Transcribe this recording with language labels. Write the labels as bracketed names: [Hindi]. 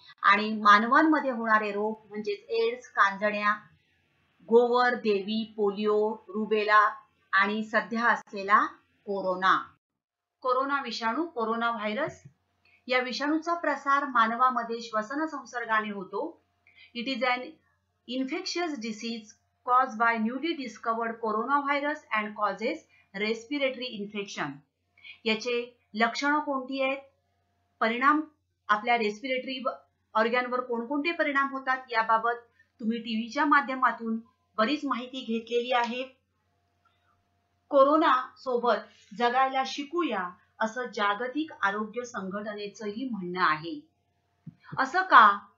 [Marathi] आणि मानवांमध्ये होणारे रोग म्हणजेच एड्स, कांजण्या, गोवर, देवी, पोलिओ, रुबेला आणि सध्या असलेला कोरोना. कोरोना विषाणू, कोरोना व्हायरस, या विषाणूचा प्रसार मानवामध्ये श्वसन संसर्गाने होतो. [English] It is an infectious disease caused by newly discovered coronavirus and causes respiratory infection. [Marathi] याचे लक्षणं कोणती आहेत, परिणाम आपल्या रेस्पिरेटरी ऑर्गॅनवर कोणकोणते परिणाम होतात याबाबत तुम्ही टीव्हीच्या माध्यमातून बरीच माहिती घेतलेली आहे. कोरोना सोबत जगायला शिकूया असं जागतिक आरोग्य संघटनेचंही म्हणणं आहे. असं का?